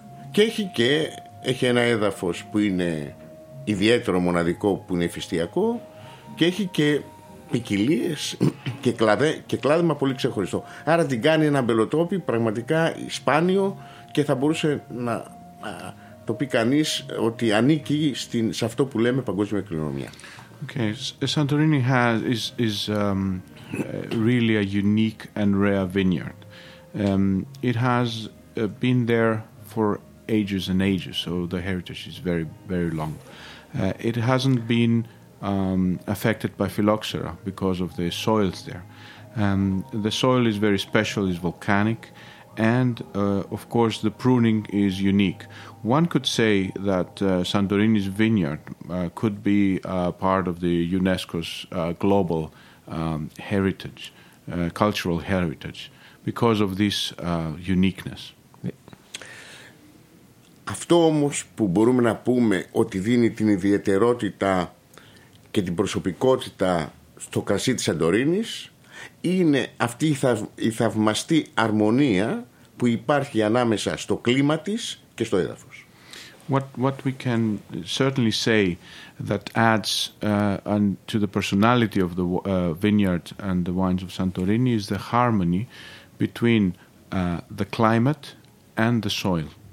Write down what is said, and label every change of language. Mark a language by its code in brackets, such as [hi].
[el] και έχει ένα έδαφος που είναι ιδιαίτερο μοναδικό, που είναι υφιστιακό, και έχει και ποικιλίες και κλάδεμα πολύ ξεχωριστό. Άρα την κάνει ένα αμπελοτόπι πραγματικά σπάνιο και θα μπορούσε να το πει κανείς ότι ανήκει στην, σε αυτό που λέμε παγκόσμια κληρονομιά. [en] Okay, Santorini is really a unique and rare vineyard. It has been there for ages and ages, so the heritage is very, very long. It hasn't been affected by phylloxera because of the soils there. The soil is very special, is volcanic, and of course the pruning is unique. One could say that Santorini's vineyard could be part of the UNESCO's global heritage, cultural heritage, because of this uniqueness. [el] Αυτό όμως που μπορούμε να πούμε ότι δίνει την ιδιαιτερότητα και την προσωπικότητα στο κρασί της Σαντορίνης είναι αυτή η θαυμαστή αρμονία που υπάρχει ανάμεσα στο κλίμα της και στο έδαφος. [en] What we can certainly say that adds to the personality of the vineyard and the wines of Santorini is the harmony between the climate and the soil.